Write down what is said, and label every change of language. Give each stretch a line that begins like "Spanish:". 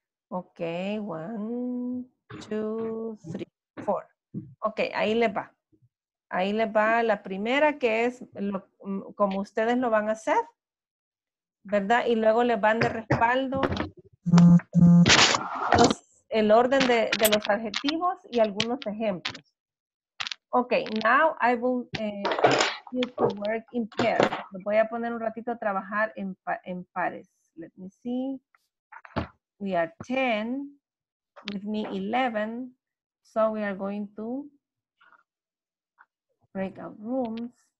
Spanish: Ok, 1, 2, 3. Okay, ahí les va. Ahí les va la primera, que es como ustedes lo van a hacer, ¿verdad? Y luego les van de respaldo el orden de los adjetivos y algunos ejemplos.
English: Okay, now I will ask you to work in pairs.
Spanish: Los voy a poner un ratito a trabajar en pares.
English: Let me see. We are 10. With me, 11. So we are going to break out rooms.